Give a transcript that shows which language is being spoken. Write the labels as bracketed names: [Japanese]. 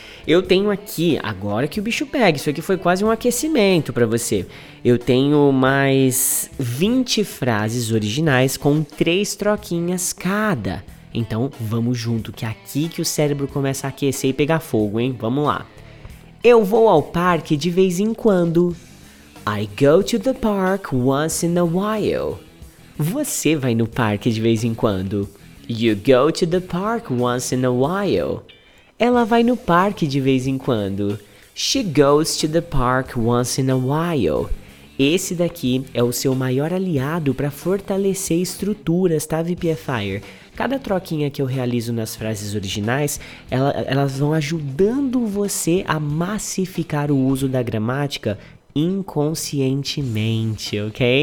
[Portuguese] Eu tenho aqui, agora que o bicho pega, isso aqui foi quase um aquecimento pra você. Eu tenho mais 20 frases originais com 3 troquinhas cada. Então, vamos junto, que é aqui que o cérebro começa a aquecer e pegar fogo, hein? Vamos lá. Eu vou ao parque de vez em quando. [English] I go to the park once in a while. [Portuguese] Você vai no parque de vez em quando. [English] You go to the park once in a while. [Portuguese] Ela vai no parque de vez em quando. [English] She goes to the park once in a while. [Portuguese] Esse daqui é o seu maior aliado para fortalecer estruturas, tá, VPFire? Cada troquinha que eu realizo nas frases originais, elas vão ajudando você a massificar o uso da gramática inconscientemente, ok?